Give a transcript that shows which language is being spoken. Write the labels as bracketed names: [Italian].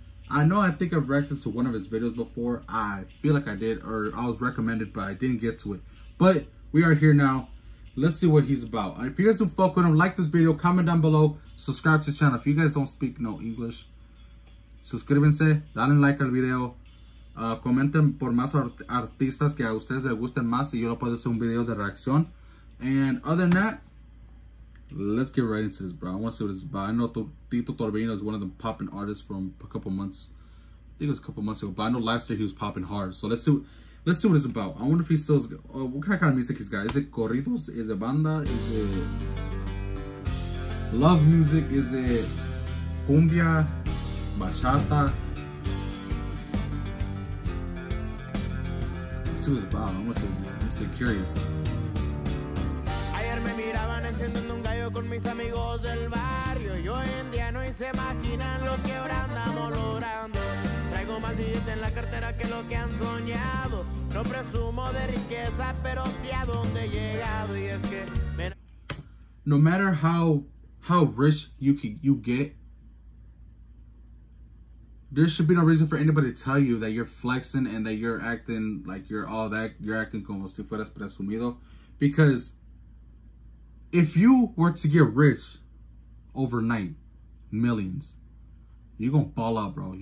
[English] I know I think I've reacted to one of his videos before. I feel like I did, or I was recommended, but I didn't get to it. But we are here now. Let's see what he's about. If you guys do fuck with him, like this video, comment down below, subscribe to the channel. If you guys don't speak no English, [Spanish] suscríbanse, dale like al video. Comenten por más artistas que a ustedes les gusten más y yo lo puedo hacer un video de reacción. [English] And other than that, let's get right into this, bro. I want to see what it's about. I know Tito Torbellino is one of the popping artists from a couple months. I think it was a couple months ago, but I know last year he was popping hard. So let's see what it's about. I wonder if he's still, what kind of music he's got? Is it corridos? Is it banda? Is it love music? Is it cumbia? Bachata? Was about. I'm so curious. [Spanish] Ayer me miraban encendiendo un gallo con mis amigos del barrio. Yo en día no hice imaginar lo que ahora andamos logrando. Traigo más billetes en la cartera que lo que han soñado. No presumo de riqueza, pero sí a donde he llegado. Y es que me... [English] No matter how rich you get, there should be no reason for anybody to tell you that you're flexing and that you're acting like you're all that. You're acting [Spanish] como si fueras presumido. [English] Because if you were to get rich overnight, millions, you're going to ball out, bro.